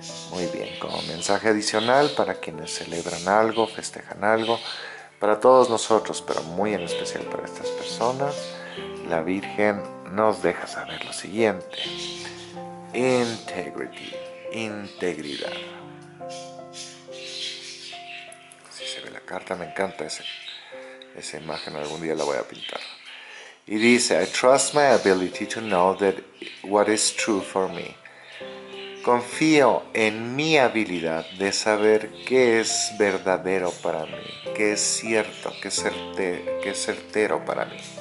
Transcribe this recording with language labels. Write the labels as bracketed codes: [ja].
[es] Muy bien, como mensaje adicional para quienes celebran algo, festejan algo, para todos nosotros, pero muy en especial para estas personas, la Virgen nos deja saber lo siguiente: integrity, integridad. Así se ve la carta, me encanta esa imagen, algún día la voy a pintar. Y dice: [en] I trust my ability to know that what is true for me. [es] Confío en mi habilidad de saber qué es verdadero para mí, qué es cierto, qué es certero para mí.